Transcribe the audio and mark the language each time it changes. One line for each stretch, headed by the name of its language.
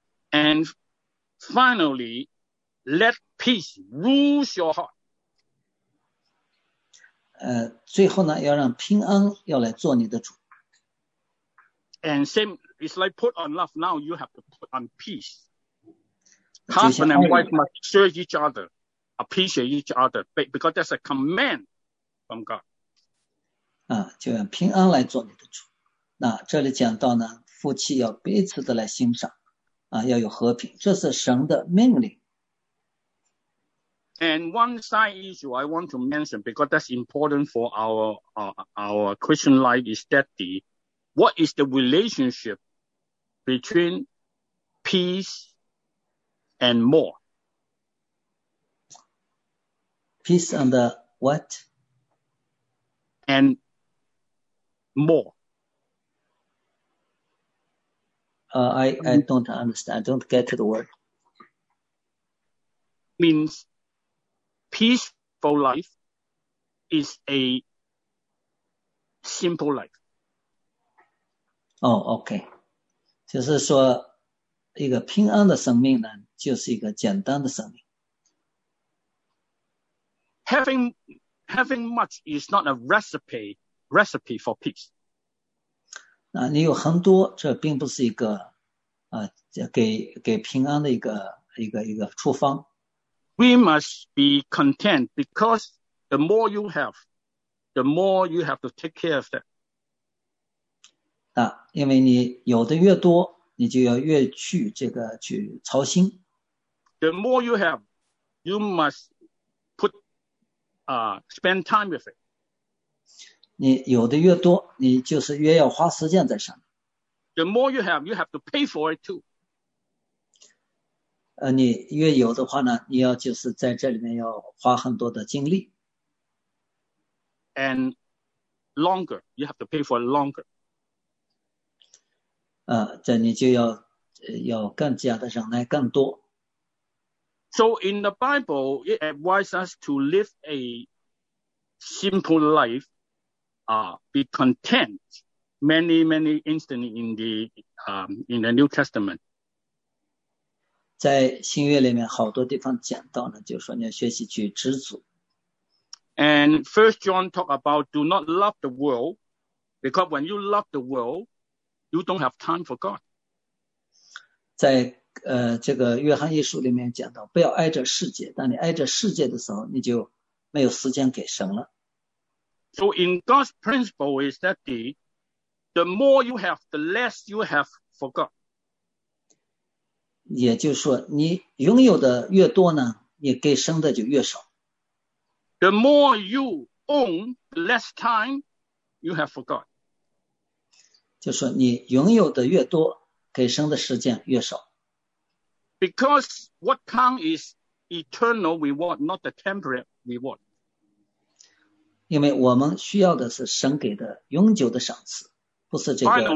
English: And finally, let peace rule your heart.
Chinese: 最后呢，要让平安要来做你的主。
English: And same, it's like put on love. Now you have to put on peace. Husband and wife must serve each other, appreciate each other, because that's a command from God.
Chinese: 就用平安来做你的主。那这里讲到呢，夫妻要彼此的来欣赏，要有和平，这是神的命令。
English: And one side issue I want to mention, because that's important for our Christian life, is that the What is the relationship between peace and more? Peace and the what? And more. I don't understand. I don't get to the word. Means peaceful life is a simple life.
Chinese: 哦、oh, ，OK， 就是说，一个平安的生命呢，就是一个简单的生命。
English: Having much is not a recipe for peace.
Chinese: 那你有很多，这并不是一个给平安的一个处方。
English: We must be content because the more you have, the more you have to take care of that.
Chinese: 因为你有的越多，你就要越去这个去操心。
English: The more you have, you must put spend time with it.
Chinese: 你有的越多，你就是越要花时间在上面。
English: The more you have, you have to pay for it too.
Chinese: 你越有的话呢，你要就是在这里面要花很多的精力。
English: And longer, you have to pay for longer.
Chinese: 这你就要更加的忍耐更多。
English: So in the Bible, it advises us to live a simple life, be content many, many instances in the New Testament.
Chinese: 在新约里面好多地方讲到呢，就是说你要学习去知足。
English: And First John talk about do not love the world, because when you love the world,You don't have time for God.
Chinese: 在这个约翰一书里面讲到，不要挨着世界，当你挨着世界的时候，你就没有时间给神了。
English: So in God's principle is that the more you have, the less you have for God.
Chinese: 也就是说，你拥有的越多呢，你给神的就越少。
English: The more you own, the less time you have for God.
Chinese: 就说你拥有的越多，给神的时间越少。
English: Because what counts is eternal reward, not the temporary reward.
Chinese: 因为我们需要的是神给的永久的赏赐，不是这个。